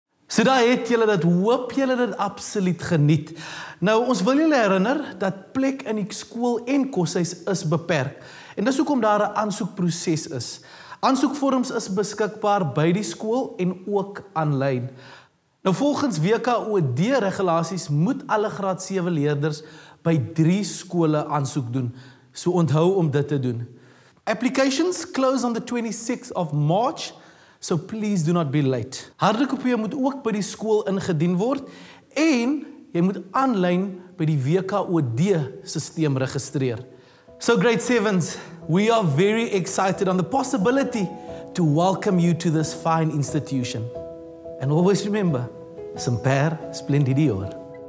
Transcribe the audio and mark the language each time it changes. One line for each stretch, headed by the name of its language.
Afrikaans: So daar het julle dit, hoop julle dit absoluut geniet. Nou, ons wil julle herinner dat plek in die skool en koshuis is beperk. En dis hoekom daar 'n aansoekproses is. Aansoekvorms is beskikbaar by die skool en ook aanlyn. Nou, volgens WKOD regulasies moet alle graad 7 leerders by 3 skole aansoek doen. So onthou om dit te doen.
English: Applications close on the 26th of March. So please do not be late.
Afrikaans: Harde kopieë moet ook by die skool ingedien word en jy moet aanlyn by die WKOD sisteem registreer.
English: So grade 7s, we are very excited on the possibility to welcome you to this fine institution. And always remember,
Latin: semper splendidior.